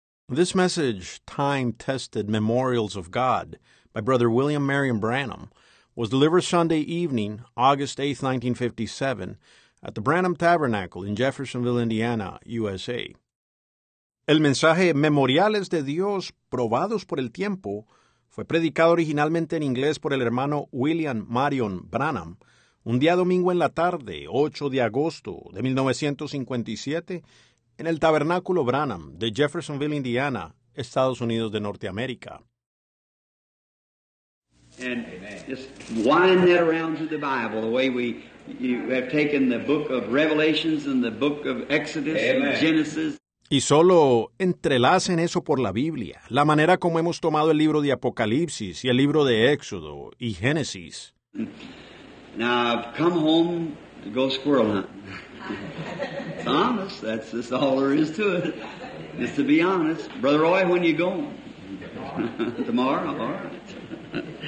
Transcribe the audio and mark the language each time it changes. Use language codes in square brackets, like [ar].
[en] This message, Time-Tested Memorials of God, by Brother William Marion Branham, was delivered Sunday evening, August 8, 1957, at the Branham Tabernacle in Jeffersonville, Indiana, USA. [es] El mensaje Memoriales de Dios probados por el tiempo fue predicado originalmente en inglés por el hermano William Marion Branham un día domingo en la tarde, 8 de agosto de 1957, en el Tabernáculo Branham de Jeffersonville, Indiana, Estados Unidos de Norteamérica. [en] And just wind that around to the Bible, the way we have taken the book of Revelations and the book of Exodus and Genesis. [es] Y solo entrelacen eso por la Biblia, la manera como hemos tomado el libro de Apocalipsis y el libro de Éxodo y Génesis. [en] Now I've come home to go squirrel hunting. Thomas, that's just all there is to it, just to be honest. Brother Roy, when you going? Tomorrow. Tomorrow, all right.